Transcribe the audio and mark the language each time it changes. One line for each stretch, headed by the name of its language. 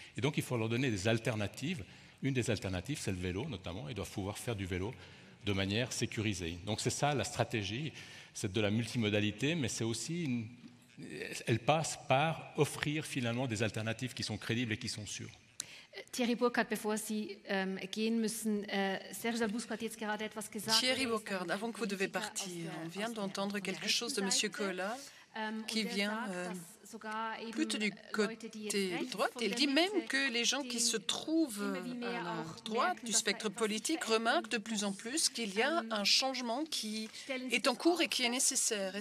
French: Et donc il faut leur donner des alternatives. Une des alternatives, c'est le vélo notamment, ils doivent pouvoir faire du vélo de manière sécurisée. Donc c'est ça la stratégie, c'est de la multimodalité, mais c'est aussi, elle passe par offrir finalement des alternatives qui sont crédibles et qui sont sûres.
German: Thierry Burkhardt, bevor Sie gehen müssen, Serge Dalbousque hat jetzt gerade etwas gesagt.
French: Thierry Burkhardt, avant que vous devez partir, on vient d'entendre quelque chose de Monsieur Collat, qui vient plutôt du côté droite. Il dit même que les gens qui se trouvent à la droite du spectre politique remarquent de plus en plus qu'il y a un changement qui est en cours et qui est nécessaire.